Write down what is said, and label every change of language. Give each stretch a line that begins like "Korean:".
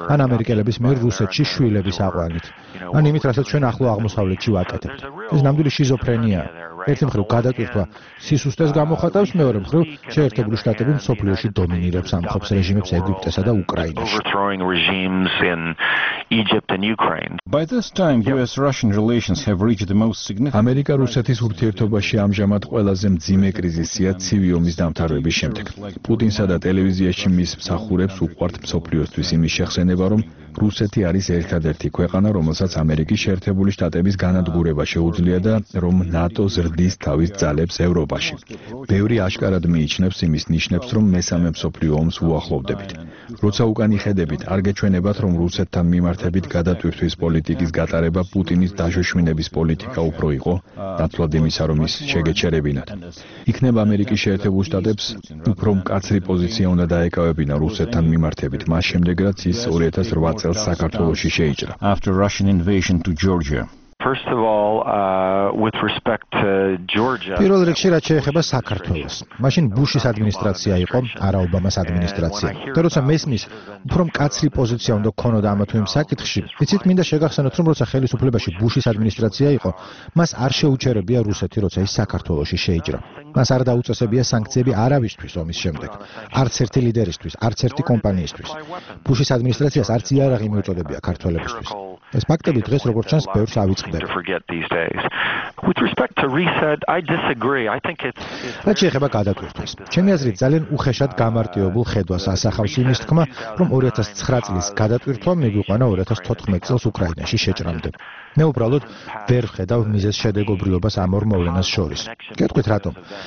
Georgian: ან ამერიკელების მიერ რუსეთში შვილების აყვანით, ან იმით, რასაც ჩვენ ახლო აღმოსავლეთში ვაკეთებთ. ეს ნამდვილი შიზოფრენიაა. ერთი მხრივ გადატვირთვა სისუსტეს გამოხატავს, მეორე მხრივ შეერთებული შტატები მსოფლიოში დომინირებს ამხობს რეჟიმებს ეგვიპტესა და
English: უკრაინაში. Egypt and Ukraine. By this time US Russian relations have reached the most significant
Georgian: ამერიკა რუსეთის ურთიერთობაში ამჟამად ყველაზე მძიმე კრიზისია ცივი ომის დამთავრების შემდეგ. პუტინსა და ტელევიზიაში მის მსახურებს უყვართ მსოფლიოსთვის იმის შეხსენება, რომ რუსეთი არის ერთადერთი ქვეყანა, რომელსაც ამერიკის შეერთებული შტატების განადგურება შეუძლია და რომ ნატო ზრდის თავის ძალებს ევროპაში. ბევრი აშკარად მიიჩნევს იმის ნიშნებს, რომ მესამე მსოფლიო ომს უახლოვდებით. როცა უკან იხედებით, არ გეჩვენებათ, რომ რუსეთთან მიმართებით გადატვირთვის პოლიტიკის გატარება პუტინის დაშოშმინების პოლიტიკა უფრო იყო, ნაცვლად იმისა, რომ ის შეგეჩერებინათ. იქნება ამერიკის შეერთებულ შტატებს უფრო მკაცრი პოზიცია უნდა დაეკავებინა რუსეთთან მიმართებით, მას შემდეგ, რაც ის 2008 წელს საქართველოში შეიჭრა.
English: After Russian invasion to Georgia. First of all, with respect to Georgia.
Georgian: პირველ რიგში რაც შეეხება საქართველოს, მაშინ ბუშის ადმინისტრაცია იყო, არა ობამას ადმინისტრაცია. და როცა მესმის, უფრო მკაცრი პოზიცია უნდა ქონოდა ამა თუ იმ საკითხში. იცით, მინდა შეგახსენოთ, რომ როცა ხელისუფლებაში ბუშის ადმინისტრაცია იყო, მას არ შეუჩერებია რუსეთი, როცა ის საქართველოში შეიჭრა. მას არ დაუწესებია სანქციები არავისთვის ომის შემდეგ, არც ერთი ლიდერისთვის, არც ერთი კომპანიისთვის. ბუშის ადმინისტრაციას არც იარაღი მიუწოდებია ქართველებისთვის. ეს ფაქტები დღეს როგორც ჩანს, ბევრს ავიწყდება.
English: With respect to reset, I disagree. I think it's
Georgian: ჩემი ხება გადაგვირთვის. ჩემი აზრით ძალიან უხეშად გამარტივებულ ხედვას ასახავს იმის თქმა, რომ 2009 წლის გადატვირთვა მიგვიყვანა 2014 წელს უკრაინაში შეჭრამდე. მე უბრალოდ ვერ ვხედავ მიზეს შედეგობრიობას ამ ორ მოვლენას შორის. გეტყვით რატომ?